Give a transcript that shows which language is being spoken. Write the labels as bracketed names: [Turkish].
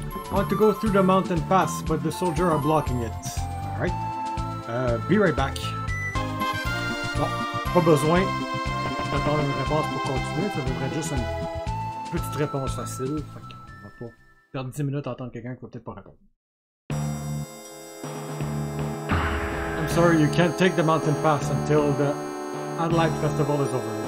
[English] I want to go through the mountain pass, but the soldiers are blocking it. Alright. Be right back. [French] Bon, pas besoin d'attendre une réponse pour continuer. Ça devrait être juste une petite réponse facile. Fait qu'on va pas perdre 10 minutes à attendre quelqu'un qui va peut-être pas répondre. [English] I'm sorry, you can't take the mountain pass until the Adelaide Festival is over.